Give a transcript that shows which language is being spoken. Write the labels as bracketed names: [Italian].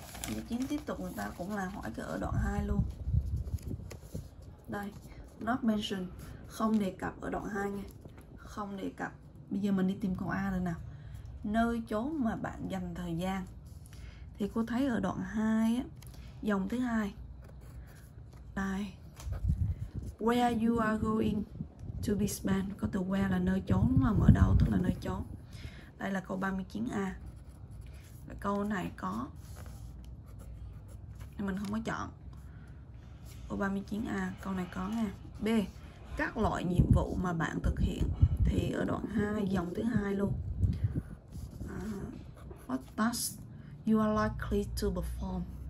[Vietnamese] 39 tiếp tục người ta cũng là hỏi cái ở đoạn 2 luôn. Đây, [English] not mention, [Vietnamese] không đề cập ở đoạn 2 nha. Không đề cập. Bây giờ mình đi tìm câu A rồi nào. Nơi chốn mà bạn dành thời gian. Thì cô thấy ở đoạn 2 á, dòng thứ 2. Đây. [English] Where you are going to be spent. [Vietnamese] Có từ where là nơi chốn đúng không? Ở đâu tức là nơi chốn. Đây là câu 39A. Và câu này có. Mình không có chọn. Câu 39A, câu này có nha. B. Các loại nhiệm vụ mà bạn thực hiện. Thì ở đoạn 2, dòng thứ 2 luôn. [English] What tasks you are likely to perform.